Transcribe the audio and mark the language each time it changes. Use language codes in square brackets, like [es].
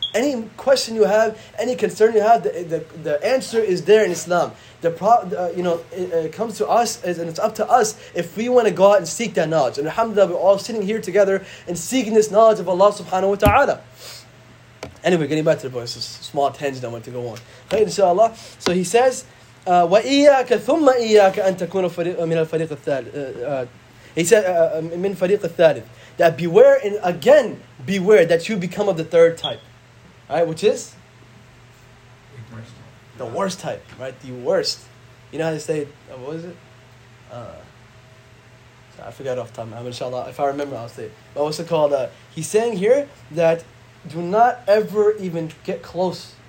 [en] Any question you have, any concern you have, the answer is there in Islam. It comes to us, and it's up to us if we want to go out and seek that knowledge. And alhamdulillah, we're all sitting here together and seeking this knowledge of Allah subhanahu wa ta'ala. Anyway, getting back to the book. It's a small tangent I want to go on. Okay, inshallah. So he says, [ar] وإياك ثم إياك أن تكون من الفريق الثالث. [en] He said [ar] من فريق الثالث. [en] That beware and again beware that you become of the third type, right? Which is the worst type, right? The worst. You know how they say, what was it? I forgot off the top of my head. Inshallah, if I remember, I'll say it. But what's it called? He's saying here that do not ever even get close.